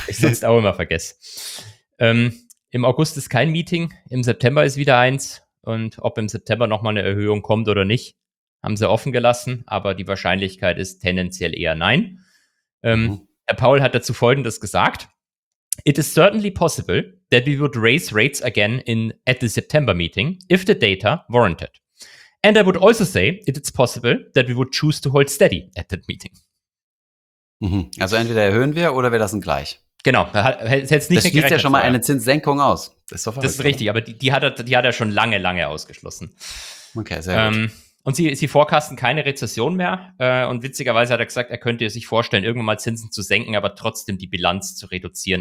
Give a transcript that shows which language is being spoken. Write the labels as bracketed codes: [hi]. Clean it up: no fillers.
[de] Ich sonst auch immer vergesse. Im August ist kein Meeting, im September ist wieder eins. Und ob im September nochmal eine Erhöhung kommt oder nicht, haben sie offen gelassen. Aber die Wahrscheinlichkeit ist tendenziell eher nein. Herr Paul hat dazu Folgendes gesagt. [en] It is certainly possible that we would raise rates again at the September meeting, if the data warranted. And I would also say it is possible that we would choose to hold steady at that meeting. [de] Also entweder erhöhen wir oder wir lassen gleich. Genau. Das schließt ja schon mal eine Zinssenkung aus. Das ist richtig, aber die hat er schon lange, lange ausgeschlossen. Okay, sehr gut. Und sie forecasten keine Rezession mehr. Und witzigerweise hat er gesagt, er könnte sich vorstellen, irgendwann mal Zinsen zu senken, aber trotzdem die Bilanz zu reduzieren.